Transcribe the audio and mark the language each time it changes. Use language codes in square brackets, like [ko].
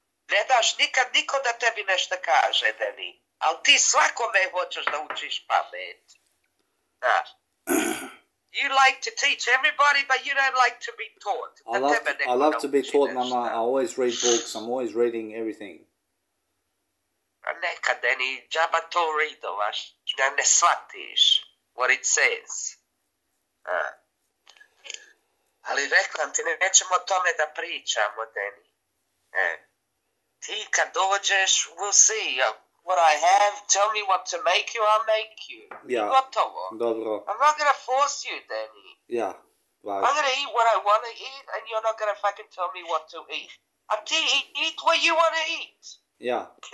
[sr] Ne daš nikad niko da tebi nešto kaže, Danny. Ali ti svakome hoćeš da učiš pamet. Da. [en] You like to teach everybody, but you don't like to be taught. I love to be taught, Mama. I always read books. I'm always reading everything. [sr] Nekad, Danny, džaba to ridovaš, da ne shvatiš [en] what it says. [sr] Ali reklam ti, nećemo o tome da pričamo, Danny. Ti kad dođeš, [en] we'll see what I have. Tell me what to make you, I'll make you. Yeah. [sr] Gotovo. Dobro. [en] I'm not going to force you, Danny. Yeah. Wow. I'm going to eat what I want to eat, and you're not going to fucking tell me what to eat. Eat what you want to eat. Yeah.